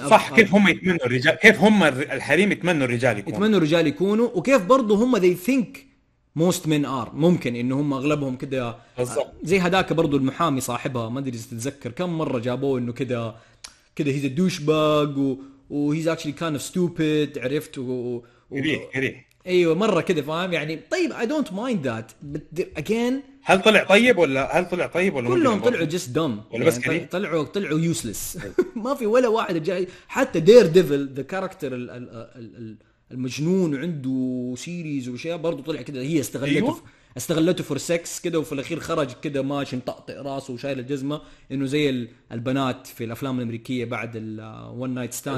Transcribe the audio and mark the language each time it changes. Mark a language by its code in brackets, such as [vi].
[ar] of صح كيف هم يتمنوا الرجال, كيف هم الحريم يتمنوا الرجال يكونوا, وكيف برضو هم [en] they think most men are. [ar] ممكن إنه هم أغلبهم كده زي هداك برضو المحامي صاحبها, ما أدري إذا تتذكر كم مرة جابوه إنه كده [en] he's a douchebag [ar] و [en] he's actually kind of stupid, [ar] عرفت, كريه أيوة مرة كده فاهم. يعني طيب [en] I don't mind that, but again [ar] هل طلع طيب ولا كلهم طلعوا [en] just dumb [ar] ولا بس يعني كريه, طلعوا useless. ما في ولا واحد جاي. حتى Daredevil the character المجنون عنده سيريز وشيء برضو طلع كده, هي استغلته. أيوه؟ استغلته فور سكس كده, وفي الاخير خرج كده ماشي مطقطق راسه وشايل الجزمه انه زي البنات في الافلام الامريكيه بعد [en] الون night stand.